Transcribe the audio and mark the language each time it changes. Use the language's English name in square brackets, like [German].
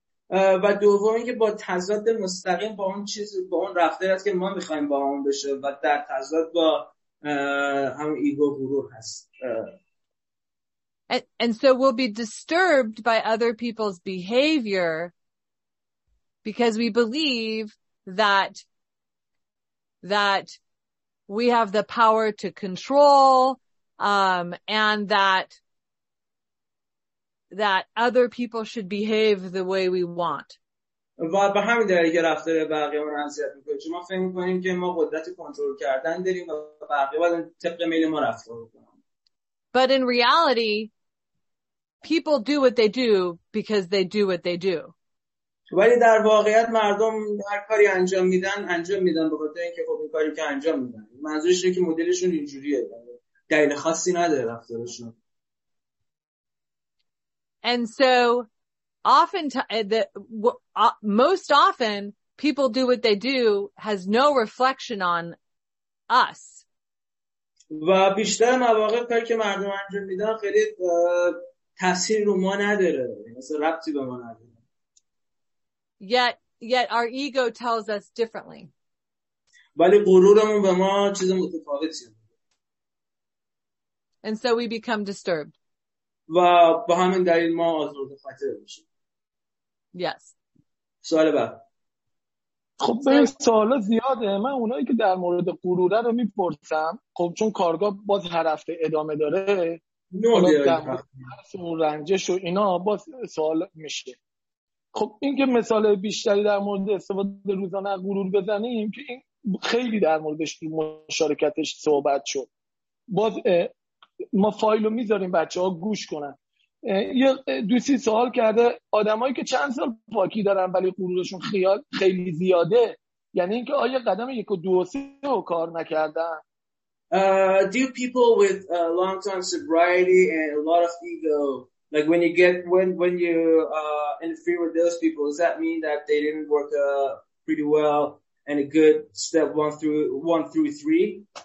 [Persian] و دومی که با تضاد مستقیم با اون چیز با اون رفتاری است که ما میخوایم با اون بشه و در تضاد با همون ایگو غرور هست. [English] And so we'll be disturbed by other people's behavior because we believe that we have the power to control and that other people should behave the way we want. [Persian] و به همین دلیل که رفتار بقیه رو اذیت می‌کنه، چون ما فکر می‌کنیم که ما قدرت کنترل کردن داریم و بقیه باید طبق میل ما رفتار کنن. [English] But in reality, people do what they do because they do what they do. [Persian] ولی در واقعیت مردم هر کاری انجام میدن، انجام میدن به خاطر اینکه خب این کاری که انجام میدن. منظورش اینه که مدلشون اینجوریه. دلیل خاصی نداره رفتارشون. [English] And so most often people do what they do has no reflection on us. [Persian] و بیشتر مواقع کاری که مردم انجام میدن خیلی تاثیر رو ما نداره، مثلا ربطی به ما نداره. [English] Yet our ego tells us differently. [Persian] ولی غرورمون به ما چیز متفاوتی میگه. [English] And so we become disturbed. [Persian] و به همین دلیل ما آزرده خاطر میشیم. [English] Yes. [Persian] سوال بعد. خب به سوال زیاده، من اونایی که در مورد غروره رو میپرسم، خب چون کارگاه باز هر هفته ادامه داره نوعی و رنجش و اینا باز سوال میشه. خب این که مثال بیشتری در مورد استفاده روزانه غرور بزنیم که این خیلی در موردش مشارکتش صحبت شد، باز ما فایلو میذاریم بچه ها گوش کنن. یه دوستی سوال کرده آدمایی که چند سال پاکی دارن ولی غرورشون خیلی زیاده، یعنی اینکه آیا قدم 1 و 2 و 3 رو کار نکردن؟ [English] Do people with long time sobriety and a lot of ego, like when you interfere with those people, does that mean that they didn't work pretty well and a good step 1 through 3?